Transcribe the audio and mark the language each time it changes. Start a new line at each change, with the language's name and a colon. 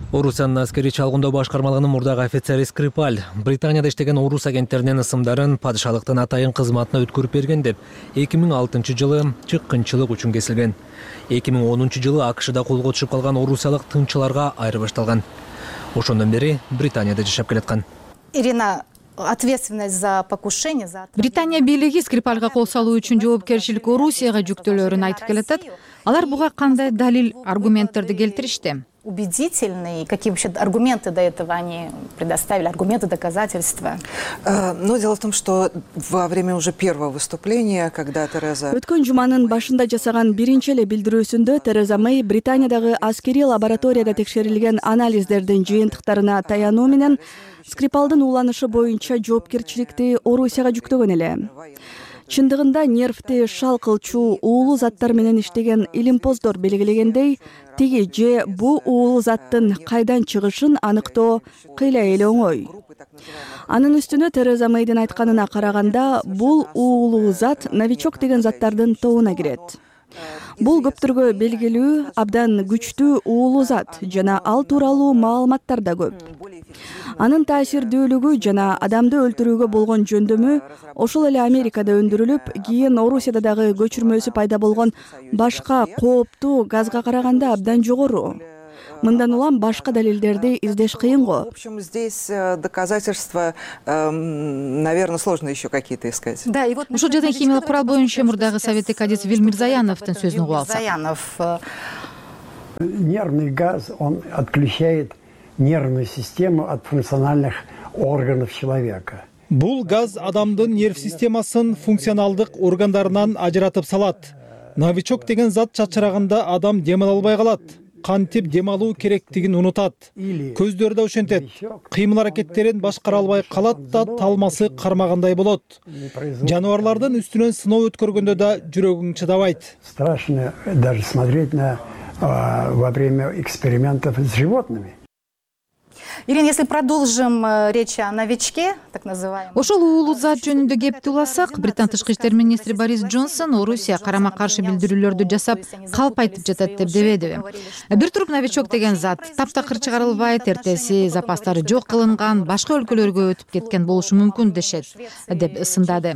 Kyrgyz: Орусиянын аскерий чалгындоо башкармалыгынын мурдагы офицери Скрипаль Британияда иштеген орус агенттеринин ысымдарын падышалыктын атайын кызматына өткөрүп берген деп 2006-жылы чыккынчылык үчүн кесилген. 2010-жылы АКШда колго түшүп калган орусиялык тынчыларга айырбашталган. Ошондон бери Британияда жашап келаткан.
Russian: Ирина, ответственность за покушение за
Kyrgyz: Британия бийлиги Скрипальга кол салуу үчүн жоопкерчилик Орусияга жүктөлөрүн айтып келатат. Алар буга кандай далил аргументтерди келтиришти?
Russian: Убедительный, какие вообще аргументы до этого они предоставили, аргументы, доказательства? Но дело в том, что во время уже первого выступления, когда Тереза...
Kyrgyz: Өткөн жуманын башында жасаган биринчи эле билдирүүсүндө Тереза Мэй Британиядагы аскерий лабораторияда текшерилген анализдердин жыйынтыктарына таянуу менен Скрипалдын уланышы боюнча жоопкерчиликти Орусияга жүктөгөн эле. Чындыгында нервти шал кылчу уулуу заттар менен иштеген илимпоздор белгилегендей, тиги же бу уулуу заттын кайдан чыгышын аныктоо кыйла эле оңой. Анын үстүнө Тереза Мэйдин айтканына караганда, бул уулуу зат новичок деген заттардын тобуна кирет. Бул көптөргө белгилүү, абдан күчтүү уулуу зат жана ал тууралуу маалыматтар да көп. Анын таасирдүүлүгү жана адамды өлтүрүүгө болгон жөндөмү ошол эле Америкада өндүрүлүп, кийин Орусияда дагы көчүрмөсү пайда болгон башка кооптуу газга караганда абдан жогору. Мындан улам башка далилдерди издеш кыйынго.
Russian: В общем, здесь доказательства, наверное, сложно еще какие-то искать. Да, и вот
Kyrgyz: ушул жерден химиялык курал боюнча мурдагы советтик кадет Вил Мирзаяновдун сөзүн угуп алсак.
Russian: Нервный газ, он отключает нервную систему от функциональных органов человека.
Kyrgyz: Бул газ адамдын нерв системасын функционалдык органдарынан ажыратып салат. Новичок деген зат чачыраганда адам демала албай калат. Кантип демалуу керектигин унутат. Көздөрдө ошентет. Кыймыл аракеттерин башкара албай калат да талмасы кармагандай болот. Жаныбарлардын үстүнөн сыноо өткөргөндө да жүрөгүң чыдабайт.
Russian: Страшно даже смотреть на во время экспериментов с животными. Ирина, если продолжим речь о новичке, так называемом.
Kyrgyz: Ошол уулу зат жөнүндө кепти уласак, Британ тышкы иштер министри Борис Джонсон Орусия карама-каршы билдирүүлөрдү жасап, калп айтып жатат деп дебедиби? Бир туруп новичок деген зат таптакыр чыгарылбайт, эртеси запастары жок кылынган, башка өлкөлөргө өтүп кеткен болушу мүмкүн дешет, деп ысындады.